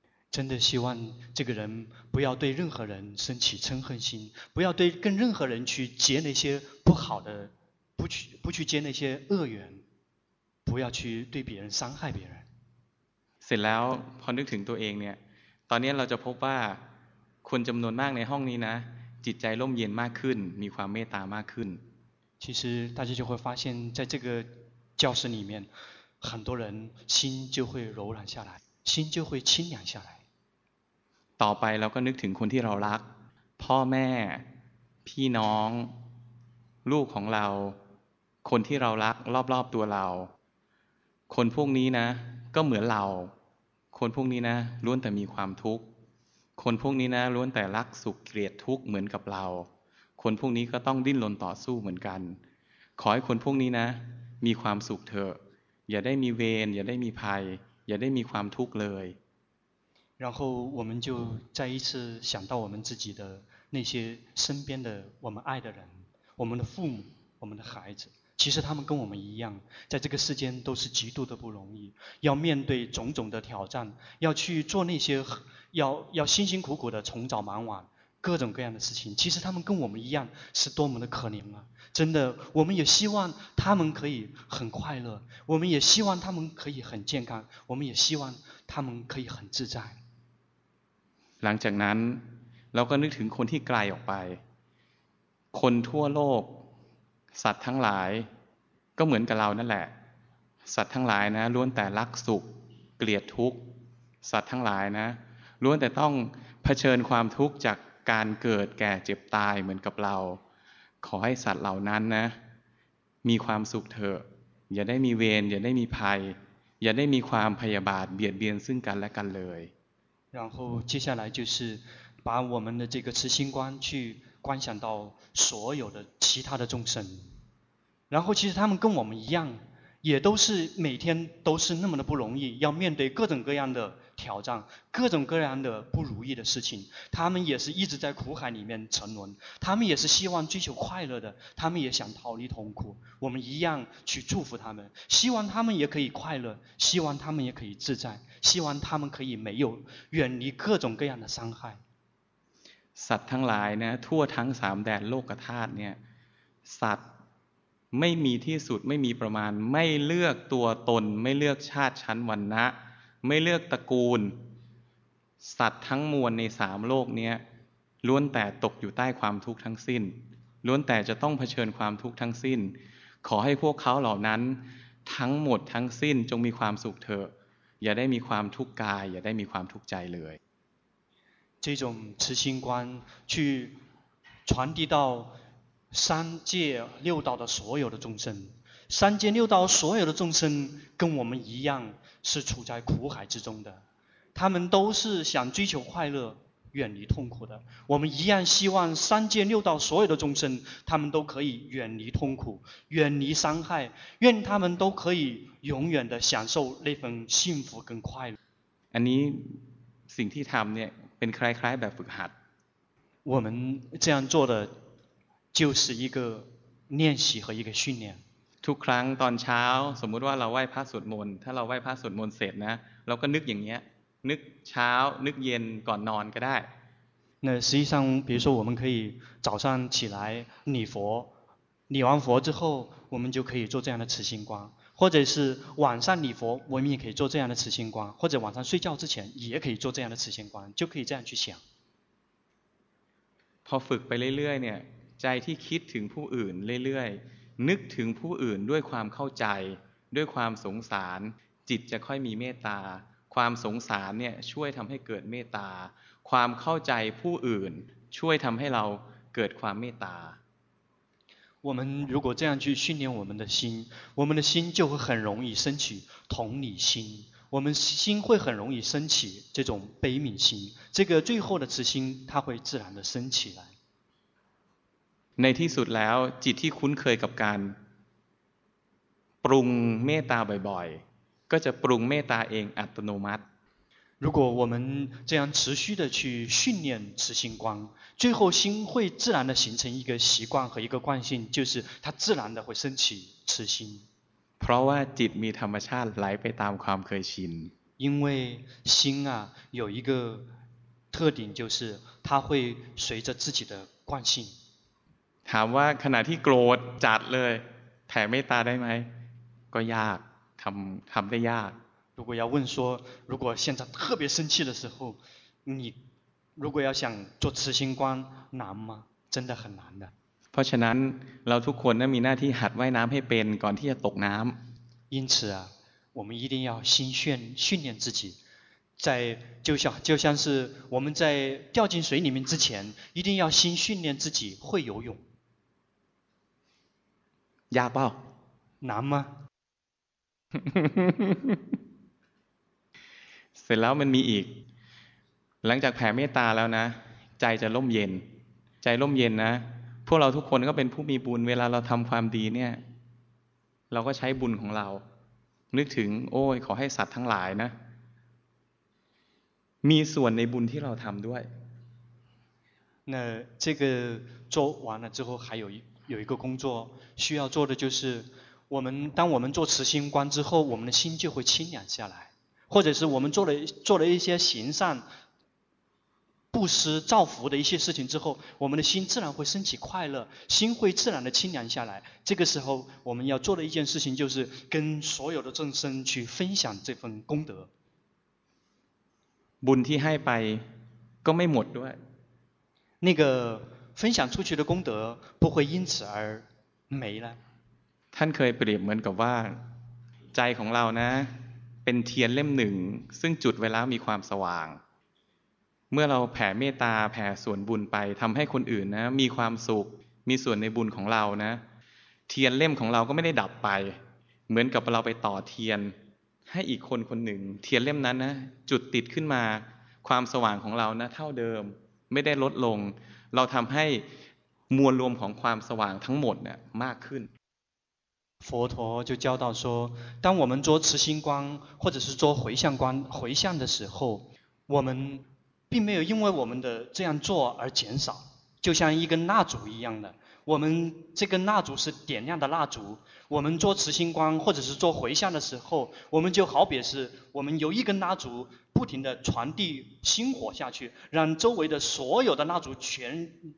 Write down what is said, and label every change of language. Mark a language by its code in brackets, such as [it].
[zh] 真的希望这个人不要对任何人生起嗔恨心，不要对跟任何人去结那些不好的，不去结那些恶缘，不要去对别人伤害别人。 [th] เสร็จแล้วพอนึกถึงตัวเองเนี่ยตอนนี้เราจะพบว่าคนจำนวนมากในห้องนี้นะจิตใจร่มเย็นมากขึ้นมีความเมตตามากขึ้น [zh] 其实大家就会发现在这个教室里面很多人心就会柔软下来心就会清凉下来 [th] ต่อไปเราก็นึกถึงคนที่เรารักพ่อแม่พี่น้องลูกของเราคนที่เรารักรอบๆตัวเราคนพวกนี้นะก็เหมือนเราคนพวกนี้นะล้วนแต่มีความทุกข์คนพวกนี้นะล้วนแต่รักสุขเกลียดทุกข์เหมือนกับเราคนพวกนี้ก็ต้องดิ้นรนต่อสู้เหมือนกันขอให้คนพวกนี้นะมีความสุขเถอะอย่าได้มีเวรอย่าได้มีภัยอย่าได้มีความทุกข์เลย [zh] 然后我们就再一次想到我们自己的那些身边的我们爱的人我们的父母我们的孩子其实他们跟我们一样在这个世间都是极度的不容易要面对种种的挑战要去做那些要辛辛苦苦的从早忙晚各种各样的事情其实他们跟我们一样是多么的可怜啊真的我们也希望他们可以很快乐我们也希望他们可以很健康我们也希望他们可以很自在 [th] หลังจากนั้นเราก็นึกถึงคนที่ไกลออกไปคนทั่วโลกสัตว์ทั้งหลายก็เหมือนกับเรานั่นแหละสัตว์ทั้งหลายนะล้วนแต่รักสุขเกลียดทุกข์สัตว์ทั้งหลายนะล้วนแต่ต้องเผชิญความทุกข์จากการเกิดแก่เจ็บตายเหมือนกับเราขอให้สัตว์เหล่านั้นนะมีความสุขเถอะอย่าได้มีเวรอย่าได้มีภัยอย่าได้มีความพยาบาทเบียดเบียนซึ่งกันและกันเลย [zh] 然后接下来就是把我们的这个慈心观去观想到所有的其他的众生然后其实他们跟我们一样也都是每天都是那么的不容易要面对各种各样的挑战各种各样的不如意的事情他们也是一直在苦海里面沉沦他们也是希望追求快乐的他们也想逃离痛苦我们一样去祝福他们希望他们也可以快乐希望他们也可以自在希望他们可以没有远离各种各样的伤害 [th] สัตว์ทั้งหลายนะทั่วทั้งสามแดนโลกธาตุเนี่ยสัตว์ไม่มีที่สุดไม่มีประมาณไม่เลือกตัวตนไม่เลือกชาติชั้นวรรณะไม่เลือกตระกูลสัตว์ทั้งมวลในสามโลกเนี่ยล้วนแต่ตกอยู่ใต้ความทุกข์ทั้งสิ้นล้วนแต่จะต้องเผชิญความทุกข์ทั้งสิ้นขอให้พวกเขาเหล่านั้นทั้งหมดทั้งสิ้นจงมีความสุขเถอะอย่าได้มีความทุกข์กายอย่าได้มีความทุกข์ใจเลย [zh] 这种慈心观去传递到三界六道的所有的众生三界六道所有的众生跟我们一样是处在苦海之中的他们都是想追求快乐远离痛苦的我们一样希望三界六道所有的众生他们都可以远离痛苦远离伤害愿他们都可以永远的享受那份幸福跟快乐 [th] อันนี้สิ่งที่ทำเนี่ยเป็นคล้ายๆแบบฝึกหัด [zh] 我们这样做的就是一个练习和一个训练 [th] ทุกครั้งตอนเช้าสมมุติว่าเราไหว้พระสวดมนต์ถ้าเราไหว้พระสวดมนต์เสร็จนะเราก็นึกอย่างเงี้ยนึกเช้านึกเย็นก่อนนอนก็ได้ [zh] 那实际上比如说我们可以早上起来礼佛礼完佛之后我们就可以做这样的慈心观或者是晚上礼佛我们也可以做这样的慈心观或者晚上睡觉之前也可以做这样的慈心观就可以这样去想 [th] พอฝึกไปเรื่อยๆเนี่ยใจที่คิดถึงผู้อื่นเรื่อยๆนึกถึงผู้อื่นด้วยความเข้าใจด้วยความสงสารจิตจะค่อยมีเมตตาความสงสารเนี่ยช่วยทำให้เกิดเมตตาความเข้าใจผู้อื่นช่วยทำให้เราเกิดความเมตตา [zh] 我们如果这样去训练我们的心，我们的心就会很容易升起同理心，我们心会很容易升起这种悲悯心，这个最后的慈心它会自然的升起来。 [th] ในที่สุดแล้วจิตที่คุ้นเคยกับการปรุงเมตตาบ่อยๆก็จะปรุงเมตตาเองอัตโนมัติ [zh] 如果我们这样持续的去训练慈心光，最后心会自然的形成一个习惯和一个惯性，就是它自然的会升起慈心。 [th] เพราะว่าจิตมีธรรมชาติไหลไปตามความเคยชิน [zh] 因为心啊有一个特点，就是它会随着自己的惯性。 [th] ถามว่าขณะที่โกรธจัดเลยแผ่เมตตาได้ไหมก็ยากทำได้ยาก [zh] 如果要问说如果现在特别生气的时候你如果要想做慈心观难吗真的很难的 [th] เพราะฉะนั้นเราทุกคนนั้นมีหน้าที่หัดว่ายน้ำให้เป็นก่อนที่จะตกน้ำ [zh] 因此啊我们一定要心训练自己在就像是我们在掉进水里面之前一定要心训练自己会游泳 [th] ยากเปล่า [zh] 难吗 [th] เสร็จแล้วมันมีอีกหลังจากแผ่เมตตาแล้วนะใจจะร่มเย็นใจร่มเย็นนะพวกเราทุกคนก็เป็นผู้มีบุญเวลาเราทำความดีเนี่ยเราก็ใช้บุญของเรานึกถึงโอ้ยขอให้สัตว์ทั้งหลายนะมีส่วนในบุญที่เราทำด้วย [zh] 那这个做完了之后还有一个工作需要做的就是我们当我们做慈心观之后我们的心就会清凉下来或者是我们做了一些行善布施造福的一些事情之后我们的心自然会升起快乐心会自然的清凉下来这个时候我们要做的一件事情就是跟所有的众生去分享这份功德 [th] บุญที่ให้ไปก็ไม่หมดด้วย [zh] 那个分享出去的功德不会因此而没了 [th] ท่านเคยเปรียบเหมือนกับว่าใจของเรานะเป็นเทียนเล่มหนึ่งซึ่งจุดไว้แล้วมีความสว่างเมื่อเราแผ่เมตตาแผ่ส่วนบุญไปทำให้คนอื่นนะมีความสุขมีส่วนในบุญของเรานะเทียนเล่มของเราก็ไม่ได้ดับไปเหมือนกับเราไปต่อเทียนให้อีกคนคนหนึ่งเทียนเล่มนั้นนะจุดติดขึ้นมาความสว่างของเรานะเท่าเดิมไม่ได้ลดลงเราทำให้มวลรวมของความสว่างทั้งหมดเนี่ยมากขึ้น [zh] 佛陀就教导说当我们做慈心观或者是做回向观回向的时候我们并没有因为我们的这样做而减少就像一根蜡烛一样的我们这根蜡烛是点亮的蜡烛我们做慈心观或者是做回向的时候我们就好比是我们由一根蜡烛不停地传递心火下去让周围的所有的蜡烛全